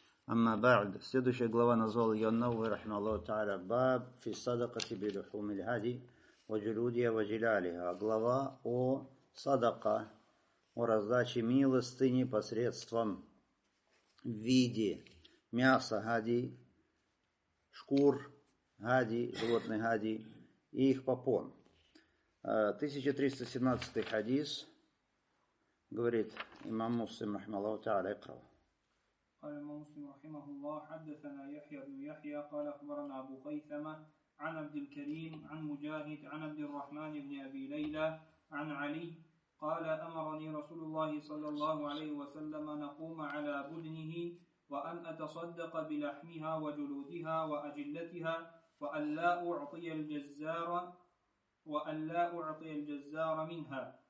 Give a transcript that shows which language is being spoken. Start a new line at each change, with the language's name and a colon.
Arabic: أما بعد
Russian: следующая глава назвал её новый
Arabic: رحمة الله تعالى باب في الصدقة بلحوم الهدي وجلودها وجلالها
Russian: глава о صدقه о раздаче милостыни посредством в виде мяса гади, шкур гади, животных гади и их попон. 1317 хадис говорит имам Муслим рахмаллаху тааля икрау.
Arabic: قال المسلم رحمه الله حدثنا يحيى بن يحيى قال أخبرنا أبو خيثمة عن عبد الكريم عن مجاهد عن عبد الرحمن بن أبي ليلى عن علي قال أمرني رسول الله صلى الله عليه وسلم نقوم على بدنه وأن أتصدق بلحمها وجلودها وأجلتها وأن لا أعطي الجزار منها